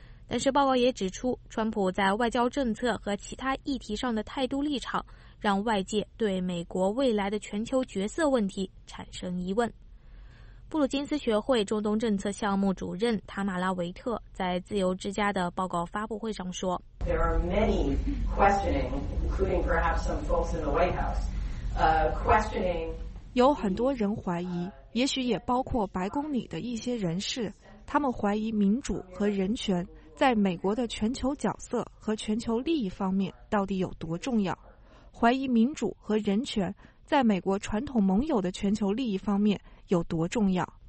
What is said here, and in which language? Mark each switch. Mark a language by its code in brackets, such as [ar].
[zh] 但是报告也指出，川普在外交政策和其他议题上的态度立场让外界对美国未来的全球角色问题产生疑问。布鲁金斯学会中东政策项目主任塔马拉·维特在自由之家的报告发布会上说， [en] There are many questioning, including perhaps some folks in the White House, questioning... [zh] 有很多人怀疑，也许也包括白宫里的一些人士，他们怀疑民主和人权在美国的全球角色和全球利益方面到底有多重要，怀疑民主和人权在美国传统盟友的全球利益方面有多重要。